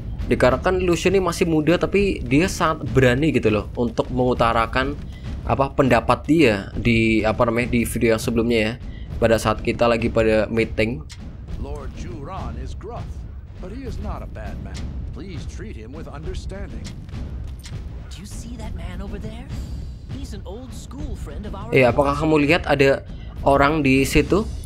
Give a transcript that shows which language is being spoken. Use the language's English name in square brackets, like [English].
[Indonesian] Dikarenakan Lu Xun ini masih muda tapi dia sangat berani gitu loh untuk mengutarakan apa pendapat dia di apa namanya di video yang sebelumnya ya, pada saat kita lagi pada meeting. [English] Lord Juran is gruff, but he is not a bad man. Please treat him with understanding. Do you see that man over there? He's an old school friend of ours. [Indonesian] Eh, apakah kamu lihat ada orang di situ?